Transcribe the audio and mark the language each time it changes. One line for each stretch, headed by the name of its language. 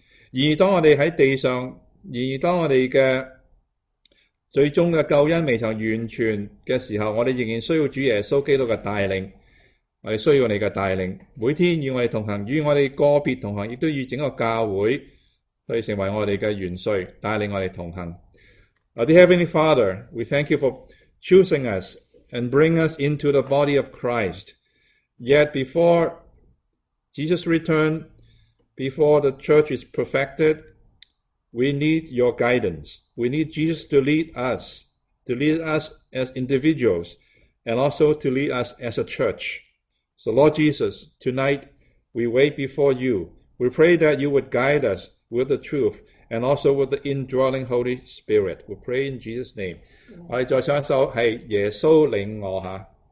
Chinese: 然而当我们在地上，然而当我们的最终的救恩未曾完全的时候，我们仍然需要主耶稣基督的带领，我们需要你的带领，每天与我们同行，与我们个别同行，也都与整个教会可以成为我们的元帅，带领我们同行。
English: The Heavenly Father, we thank you for choosing us and bring us into the body of Christ. Yet before Jesus returned, before the church is perfected, we need your guidance. We need Jesus to lead us as individuals, and also to lead us as a church. So Lord Jesus, tonight we wait before you. We pray that you would guide us with the truth, and also with the indwelling Holy Spirit. We pray in Jesus' name.
Chinese: 我们再唱一首是耶稣领我下。